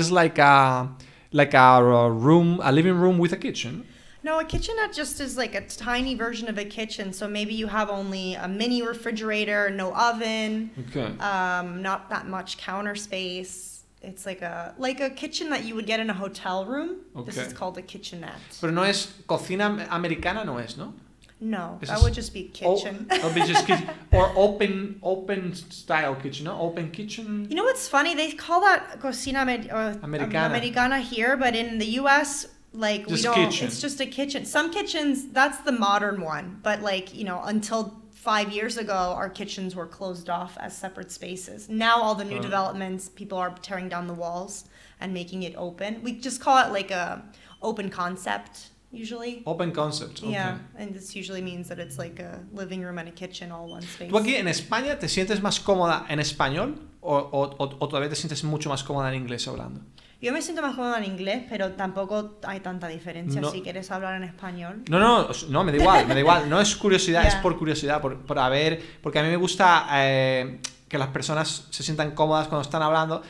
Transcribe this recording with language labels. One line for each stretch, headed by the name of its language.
English: Is like a living room with a kitchen. No, a kitchenette just is like a tiny version of a kitchen. So maybe you have only a mini refrigerator, no oven, not that much counter space. It's like a kitchen that you would get in a hotel room. Okay. This is called a kitchenette.
Spanish: Pero no es cocina americana, no es, ¿no?
English: No, this that would just be kitchen. It'll be just kitchen. Or open style kitchen, no? Open kitchen. You know what's funny? They call that
Spanish: cocina americana
English: here, but in the U.S., like just we don't kitchen. It's just a kitchen. Some kitchens, that's the modern one, but like, you know, until 5 years ago our kitchens were closed off as separate spaces. Now all the new developments, people are tearing down the walls and making it open. We just call it like a open concept usually. Open concept. Okay. Yeah, and this usually means that it's like a living room and a kitchen all one space.
Spanish: ¿Tú aquí en España te sientes más cómoda en español o todavía te sientes mucho más cómoda en inglés hablando? Yo me siento más cómodo en inglés, pero tampoco hay tanta diferencia. No. Si quieres hablar en español. No, me da igual. No es curiosidad, yeah. Es por curiosidad, por a ver, porque a mí me gusta que las personas se sientan cómodas cuando están hablando,